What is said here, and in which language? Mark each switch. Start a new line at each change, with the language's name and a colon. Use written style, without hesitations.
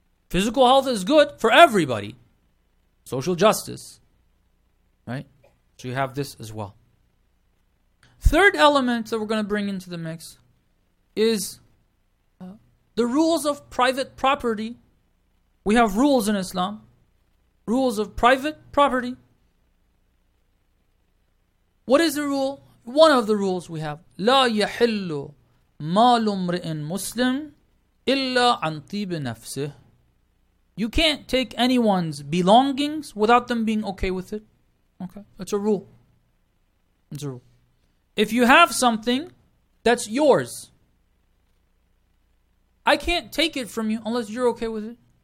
English: Physical health is good for everybody. Social justice, right? So you have this as well. Third element that we're going to bring into the mix is the rules of private property. We have rules in Islam. Rules of private property. What is the rule? One of the rules we have.
Arabic: لا يحل مال امرئ مسلم إلا عن طيب نفسه.
English: You can't take anyone's belongings without them being okay with it. Okay, it's a rule. It's a rule. If you have something that's yours, I can't take it from you unless you're okay with it.